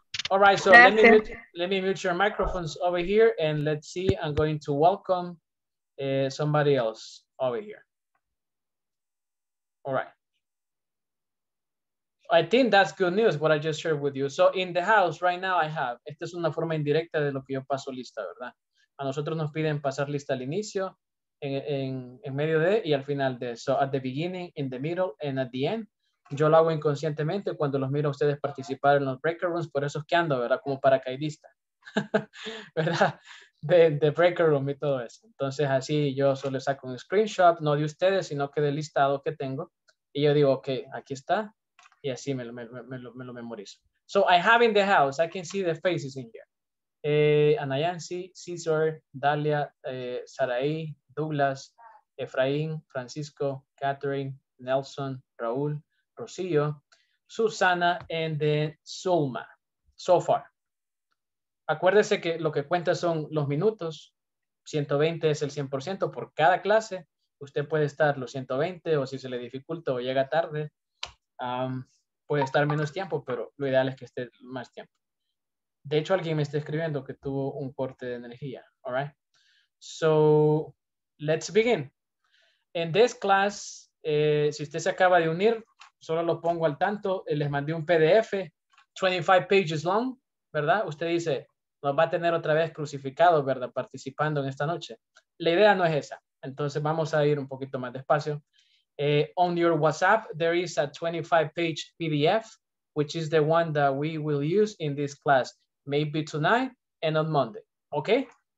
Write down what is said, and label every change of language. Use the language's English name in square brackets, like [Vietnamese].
[English] All right, so let me mute your microphones over here, and let's see, I'm going to welcome somebody else over here. All right. I think that's good news, what I just shared with you. So in the house right now I have, [Spanish] esta es una forma indirecta de lo que yo paso lista, ¿verdad? A nosotros nos piden pasar lista al inicio, en medio de y al final de. [English] So at the beginning, in the middle, and at the end. [Spanish] Yo lo hago inconscientemente cuando los miro a ustedes participar en los breaker rooms. Por eso es que ando, ¿verdad? Como paracaidista, ¿verdad? De breaker room y todo eso. Entonces así yo solo saco un screenshot, no de ustedes, sino que del listado que tengo. Y yo digo, ok, aquí está. Y así me lo memorizo. [English] So I have in the house, I can see the faces in here. Anayansi, Cesar, Dalia, Saraí, Douglas, Efraín, Francisco, Catherine, Nelson, Raúl, Rocío, Susana, and then Zulma, so far. [Spanish] Acuérdese que lo que cuenta son los minutos, 120 es el 100% por cada clase, usted puede estar los 120 o si se le dificulta o llega tarde, puede estar menos tiempo, pero lo ideal es que esté más tiempo. De hecho, alguien me está escribiendo que tuvo un corte de energía. [English] All right. So, let's begin. In this class, [Spanish] si usted se acaba de unir, solo lo pongo al tanto. Les mandé un PDF, [English] 25 pages long, [Spanish] ¿verdad? Usted dice, nos va a tener otra vez crucificado, ¿verdad? Participando en esta noche. La idea no es esa. Entonces, vamos a ir un poquito más despacio. [English] On your WhatsApp, there is a 25-page PDF, which is the one that we will use in this class, maybe tonight and on Monday, okay?